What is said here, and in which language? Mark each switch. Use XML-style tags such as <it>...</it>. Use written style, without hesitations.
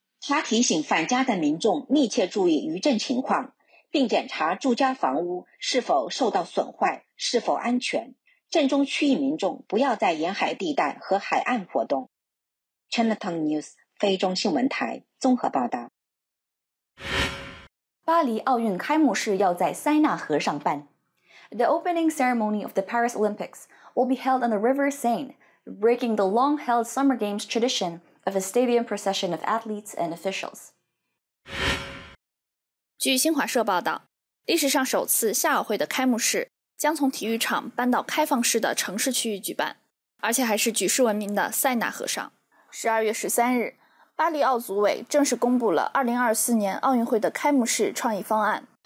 <zh>他提醒返家的民众密切注意余震情况，并检查住家房屋是否受到损坏，是否安全。震中区域民众不要在沿海地带和海岸活动。 Chinatown News 菲中新闻台综合报道。巴黎奥运开幕式要在塞纳河上办。</zh> <en>The opening ceremony of the Paris Olympics will be held on the River Seine, breaking the long-held Summer Games tradition. Of a stadium procession of athletes and officials.</en> <zh>据新华社报道，历史上首次夏奥会的开幕式将从体育场搬到开放式的城市区域举办，而且还是举世闻名的塞纳河上。 12月13日，巴黎奥组委正式公布了2024年奥运会的开幕式创意方案。</zh>